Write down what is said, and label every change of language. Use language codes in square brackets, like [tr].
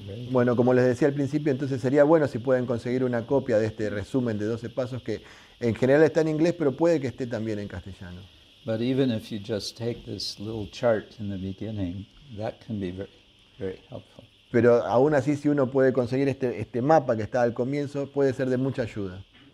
[es] Bueno, como les decía al principio, entonces sería bueno si pueden conseguir una copia de este resumen de 12 pasos que en general está en inglés, pero puede que esté también en castellano. [en] But even if you just take this little chart in the beginning, that can be very, very helpful. [es] Pero aún así, si uno puede conseguir este mapa que está al comienzo, puede ser de mucha ayuda.